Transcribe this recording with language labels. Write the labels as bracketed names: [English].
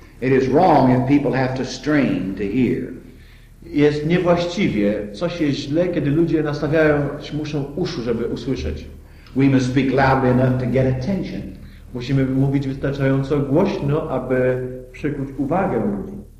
[English] It is wrong if people have to strain to hear. [Polish] Jest niewłaściwie, coś jest źle, kiedy ludzie nastawiają, muszą uszu, żeby usłyszeć. [English] We must speak loudly enough to get attention. [Polish] Musimy mówić wystarczająco głośno, aby przykuć uwagę ludzi.